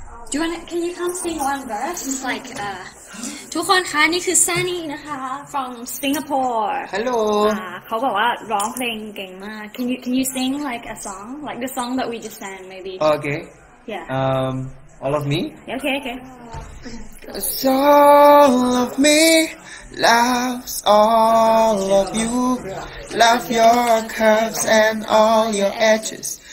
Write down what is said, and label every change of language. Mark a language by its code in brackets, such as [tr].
[en] Do you want to, can you come sing one verse? Like, [th] ทุกคนคะนี่คือ Sunny นะคะ [en] from Singapore. [th] Hello. เขาบอกว่าร้องเพลงเก่งมาก [en] Can you sing like a song? Like the song that we just sang maybe? Okay. Yeah. All of me? Yeah, okay. It's all of me, loves all of you, love your curves and all your edges.